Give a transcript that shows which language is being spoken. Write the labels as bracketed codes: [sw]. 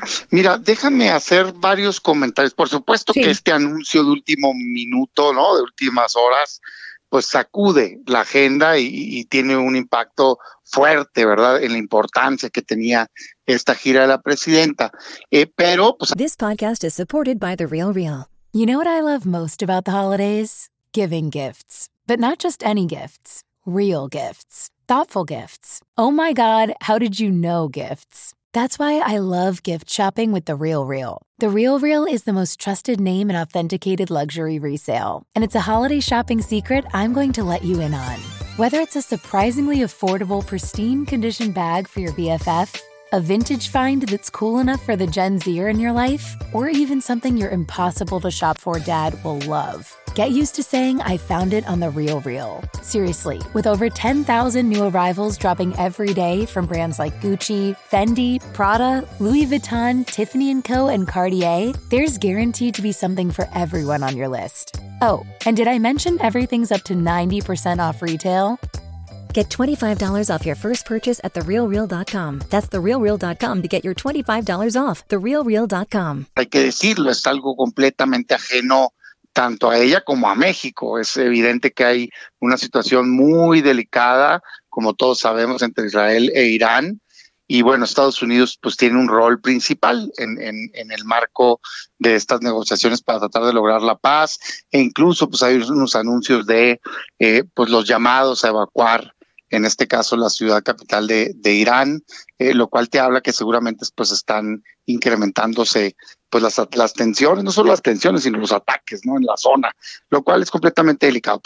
[es] Mira, déjame hacer varios comentarios. Por supuesto que este anuncio de último minuto, ¿no?, de últimas horas, pues sacude la agenda y tiene un impacto fuerte, ¿verdad?, en la importancia que tenía esta gira de la presidenta. Pero pues [en] This podcast is supported by The Real Real. You know what I love most about the holidays? Giving gifts. But not just any gifts. Real gifts. Thoughtful gifts. Oh my God, how did you know gifts? That's why I love gift shopping with The Real Real. The Real Real is the most trusted name in authenticated luxury resale. And it's a holiday shopping secret I'm going to let you in on. Whether it's a surprisingly affordable, pristine condition bag for your BFF, a vintage find that's cool enough for the Gen Zer in your life, or even something your impossible to shop for dad will love. Get used to saying, I found it on The Real Real. Seriously, with over 10,000 new arrivals dropping every day from brands like Gucci, Fendi, Prada, Louis Vuitton, Tiffany & Co., and Cartier, there's guaranteed to be something for everyone on your list. Oh, and did I mention everything's up to 90% off retail? Get $25 off your first purchase at TheRealReal.com. That's TheRealReal.com to get your $25 off. TheRealReal.com. [es] Hay que decirlo, es algo completamente ajeno tanto a ella como a México. Es evidente que hay una situación muy delicada, como todos sabemos, entre Israel e Irán. Y bueno, Estados Unidos pues tiene un rol principal en el marco de estas negociaciones para tratar de lograr la paz, e incluso pues hay unos anuncios de pues los llamados a evacuar, en este caso la ciudad capital de Irán, lo cual te habla que seguramente pues están incrementándose pues las tensiones, no solo las tensiones, sino los ataques, ¿no?, en la zona, lo cual es completamente delicado.